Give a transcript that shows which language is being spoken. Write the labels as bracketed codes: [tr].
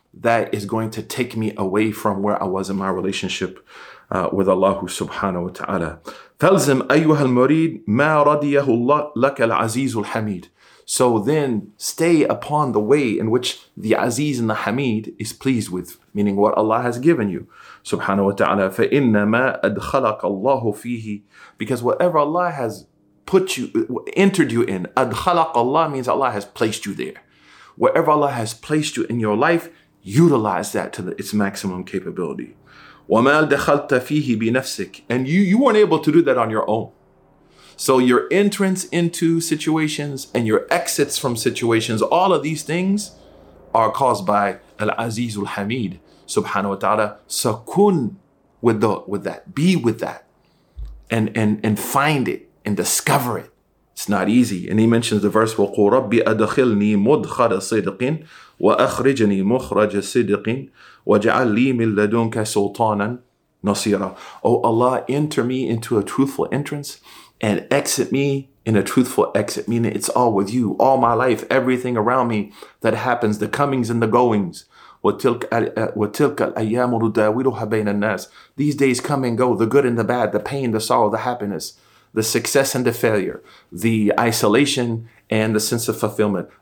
[en] that is going to take me away from where I was in my relationship with Allah subhanahu wa ta'ala. [ar] فَلْزِمْ أَيُّهَا الْمُرِيدُ مَا رَضِيَهُ اللَّهُ لَكَ الْعَزِيزُ الْحَمِيدُ. [en] So then stay upon the way in which the Aziz and the Hamid is pleased with, meaning what Allah has given you. [ar] Subhanahu wa ta'ala, فَإِنَّمَا أَدْخَلَكَ اللَّهُ فِيهِ. [en] Because whatever Allah has put you, entered you in, [ar] أَدْخَلَكَ اللَّهُ [en] means Allah has placed you there. Wherever Allah has placed you in your life, utilize that to its maximum capability. [ar] وَمَا دَخَلْتَ فِيهِ بِنَفْسِكَ. [en] And you weren't able to do that on your own. So your entrance into situations and your exits from situations, all of these things are caused by Al-Aziz Al-Hamid, subhanahu wa ta'ala. Sakun with that, be with that and find it and discover it. It's not easy. And he mentions the verse, [ar] وَقُوا رَبِّ أَدْخِلْنِي مُدْخَرَ صِدْقٍ وَأَخْرِجْنِي مُخْرَجَ صِدْقٍ وَجَعَلْ لِي مِنْ لَدُنْكَ سُلْطَانًا نَصِيرًا. [en] Oh Allah, enter me into a truthful entrance and exit me in a truthful exit, meaning it's all with you, all my life, everything around me that happens, the comings and the goings. [ar] وَتِلْكَ الْأَيَّامُ نُدَاوِلُهَا بَيْنَ النَّاسِ. [en] These days come and go, the good and the bad, the pain, the sorrow, the happiness, the success and the failure, the isolation and the sense of fulfillment.